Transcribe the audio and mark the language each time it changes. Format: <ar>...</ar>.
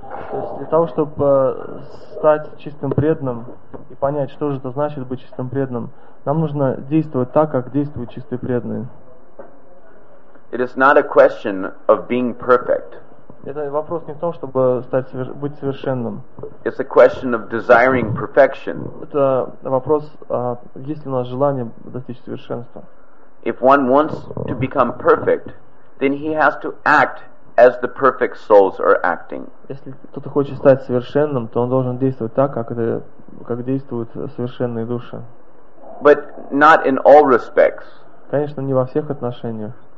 <ru>То есть для того, чтобы стать чистым преданным и понять, что же это значит быть чистым преданным, нам нужно действовать так, как действуют чистые преданные.</ru> <en>It is not a question of being perfect.</en> <ru>Это вопрос не в том, чтобы стать быть совершенным.</ru> <en>It's a question of desiring perfection.</en> <ru>Это вопрос, есть ли у нас желание достичь совершенства.</ru> <en>If one wants to become perfect, then he has to act as the perfect souls are acting.</en> <ru>Если кто-то хочет стать совершенным, то он должен действовать так, как действуют совершенные души.</ru> <en>But not in all respects.</en> <ru>Конечно, не во всех отношениях.</ru>